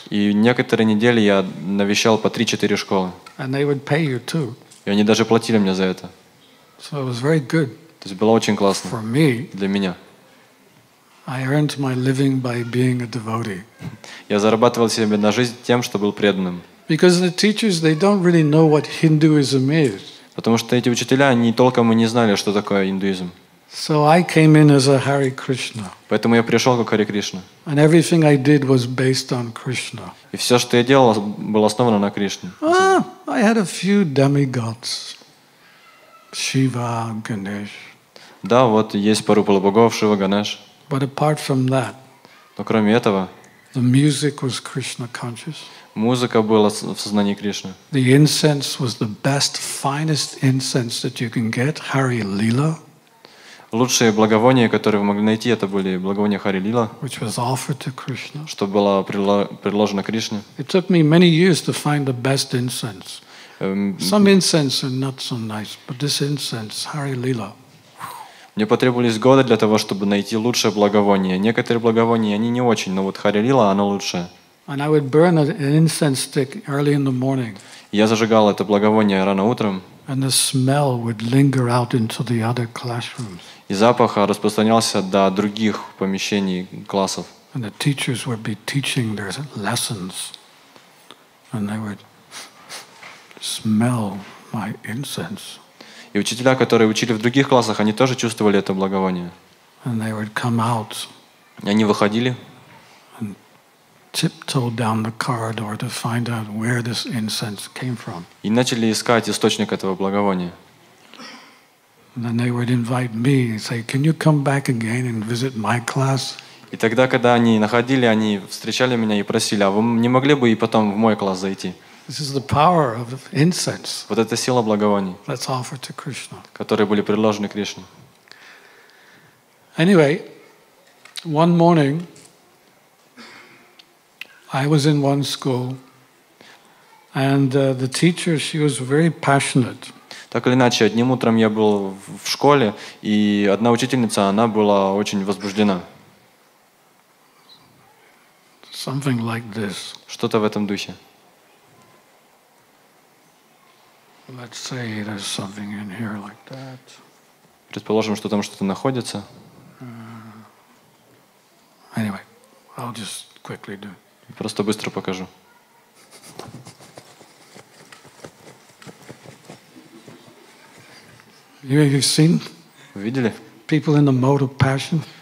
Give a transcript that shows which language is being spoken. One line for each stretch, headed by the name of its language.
Russian: И некоторые недели я навещал по 3-4 школы.
English: And they would pay you too.
Russian: И они даже платили мне за это.
English: So it was very good.
Russian: То есть было очень классно.
English: For me.
Russian: Для меня.
English: I earned my living by being a devotee.
Russian: Я зарабатывал себе на жизнь тем, что был преданным.
English: Because the teachers, they don't really know what Hinduism is.
Russian: Потому что эти учителя, они толком и не знали, что такое индуизм.
English: So I came in as a Hare Krishna.
Russian: Поэтому я пришел как Харе Кришна.
English: And everything I did was based on Krishna.
Russian: И все, что я делал, было основано на Кришне.
English: I had a few demigods. Shiva, Ganesh.
Russian: Да, вот есть пару полубогов, Шива, Ганеш.
English: But apart from that,
Russian: но кроме этого,
English: the music was Krishna conscious.
Russian: Музыка была в сознании Кришны.
English: The incense was the best, finest incense that you can get, Hari Lila.
Russian: Лучшие благовония, которые вы могли найти, это были благовония Хари Лила,
English: which was offered to Krishna.
Russian: Что было предложено Кришне.
English: It took me many years to find the best incense. Some incense are not so nice, but this incense, Hari Lila.
Russian: Мне потребовались годы для того, чтобы найти лучшее благовоние. Некоторые благовония, они не очень, но вот Хари Лила, оно лучшее.
English: And I would burn an incense stick early in the morning.
Russian: Я зажигал это благовоние рано утром.
English: And the smell would linger out into the other classrooms.
Russian: И запах распространялся до других помещений классов.
English: And the teachers would be teaching their lessons, and they would smell my incense.
Russian: И учителя, которые учили в других классах, они тоже чувствовали это благовоние.
English: And they would come out.
Russian: И они выходили.
English: Tiptoe down the corridor to find out where this incense came from.
Russian: И начали искать источник этого благовония.
English: And then they would invite me and say, "Can you come back again and visit my class?"
Russian: И тогда, когда они находили, они встречали меня и просили, а вы не могли бы и потом в мой класс зайти?
English: This is the power of incense.
Russian: Вот это сила благовоний.
English: That's offered to Krishna.
Russian: Которые были предложены Кришне.
English: Anyway, one morning. I was in one school, and the teacher, she was very passionate.
Russian: Так или иначе, одним утром я был в школе, и одна учительница, она была очень возбуждена.
English: Something like this.
Russian: Что-то в этом духе.
English: Let's say there's something in here like that.
Russian: Предположим, что там что-то находится.
English: Anyway, I'll just quickly do it.
Russian: Просто быстро покажу.
English: You've seen?
Russian: Видели?
English: People in the mode of passion.